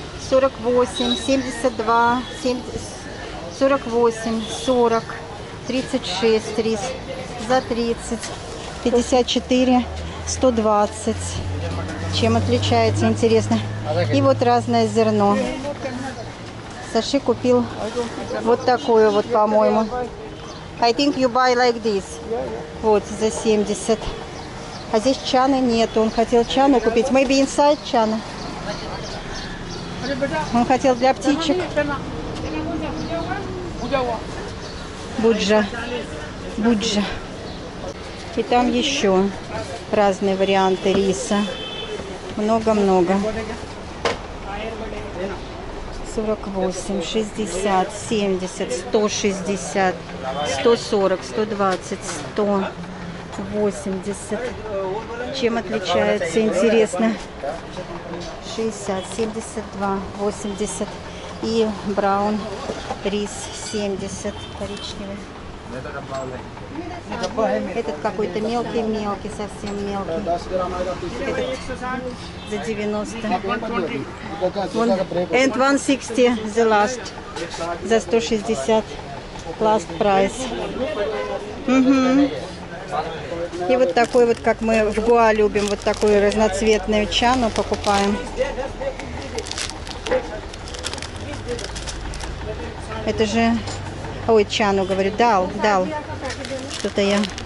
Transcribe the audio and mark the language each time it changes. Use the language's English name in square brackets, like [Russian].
[Russian] 48, 72, 70, 48, 40, 36, 30, за 30, 54, 120. Чем отличается, интересно? И вот разное зерно. Саши купил вот такую вот, по-моему. [English] I think you buy like this. [Russian] Вот, за 70. А здесь чаны нету. Он хотел чану купить. [English] Maybe inside чана. [Russian] Он хотел для птичек. Буджа. Буджа. И там еще разные варианты риса. Много-много. 48, 60, 70, 160, 140, 120, 180. Чем отличается, интересно? 60, 72, 80. И браун рис 70, коричневый. Этот какой-то мелкий-мелкий, совсем мелкий. Этот за 90. [English] Вон, and 160, the last. [Russian] За 160, [English] last price. [Russian] И вот такой вот, как мы в Гуа любим, вот такую разноцветную чану покупаем. Это же... Ой, чану, говорю, дал, дал. Что-то я...